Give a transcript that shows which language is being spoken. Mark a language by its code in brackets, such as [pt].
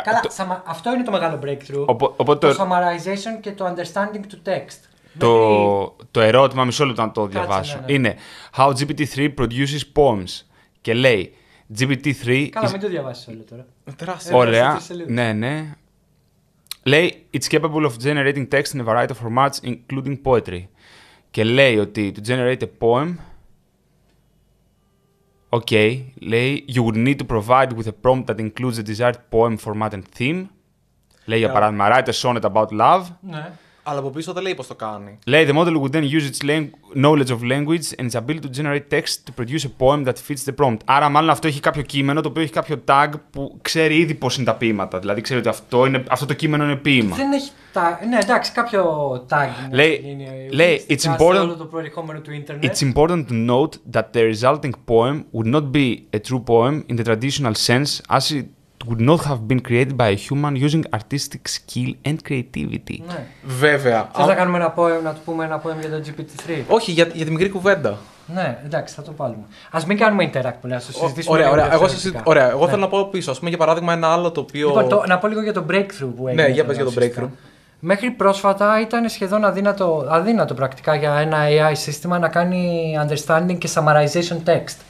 [el] Καλά, αυτό είναι το μεγάλο breakthrough. Οπότε το summarization και το understanding του text. το ερώτημα, μισό λεπτό να το διαβάσω. Κάτσε, ναι, ναι. [en] Είναι How GPT-3 produces poems. [el] Και λέει GPT-3. Καλά, μην το διαβάσει όλο τώρα. Τεράστιο. Ωραία. Ναι, ναι. [en] Λέει It's capable of generating text in a variety of formats, including poetry. [el] Και λέει ότι [en] to generate a poem. Οκ, okay, λέει, you would need to provide with a prompt that includes the desired poem format and theme. Λέει, yeah, [el] για παράδειγμα, [en] write a sonnet about love. [el] Ναι. Αλλά από πίσω δεν λέει πώς το κάνει. [en] Λέει, the model would then use its knowledge of language and its ability to generate text to produce a poem that fits the prompt. [el] Άρα, μάλλον αυτό έχει κάποιο κείμενο, το οποίο έχει κάποιο tag που ξέρει ήδη πώς είναι τα ποίηματα. Δηλαδή, ξέρει ότι αυτό, είναι, αυτό το κείμενο είναι ποίημα. Δεν έχει tag. Ναι, εντάξει, κάποιο tag. [en] Λέει, it's important. [el] Όλο το προερχόμενο του internet. [en] It's important to note that the resulting poem would not be a true poem in the traditional sense as it would not have been created by a human using artistic skill and creativity. [el] Ναι. Βέβαια. Θες να κάνουμε ένα poem, να του πούμε ένα poem για το GPT-3. Όχι, για τη μικρή κουβέντα. Ναι, εντάξει, θα το πάλουμε. Ας μην κάνουμε interact που λέει, ας το συζητήσουμε. Ωραία, ωραία. Εγώ θέλω να πω πίσω. Ας πούμε για παράδειγμα ένα άλλο το οποίο. Λοιπόν, να πω λίγο για το breakthrough που έγινε. Ναι, για πες για το breakthrough. Μέχρι πρόσφατα ήταν σχεδόν αδύνατο πρακτικά για ένα AI σύστημα να κάνει understanding και summarization text.